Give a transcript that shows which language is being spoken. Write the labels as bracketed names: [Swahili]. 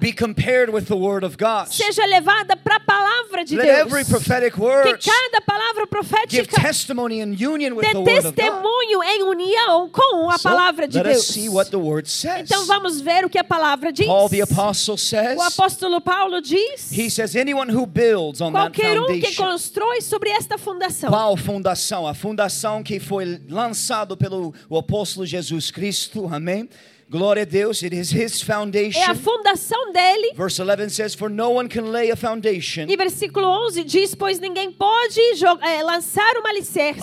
[English] be compared with the word of God. [Portuguese] Seja levada para a palavra de [English] Let [Portuguese] Deus. [English] Let every prophetic word [Portuguese] que cada palavra profética [English] give testimony in union with [Portuguese] dê testemunho [English] the word of God. [Portuguese] Em união com a palavra de [English] let [Portuguese] Deus. [English] Let us see what the word says. [Portuguese] Então vamos ver o que a palavra diz. [English] Paul the apostle says. [Portuguese] O apóstolo Paulo diz. [English] He says anyone who builds on that foundation. [Portuguese] Qualquer um que constrói sobre esta fundação. Qual fundação? A fundação que foi lançado pelo o apóstolo Jesus Cristo, amém? Glória a Deus, [English] it is his foundation. [Portuguese] É a fundação dele. [English] Verse 11 says, for no one can lay a foundation. [Portuguese] E versículo 11 diz, pois ninguém pode lançar um alicerce.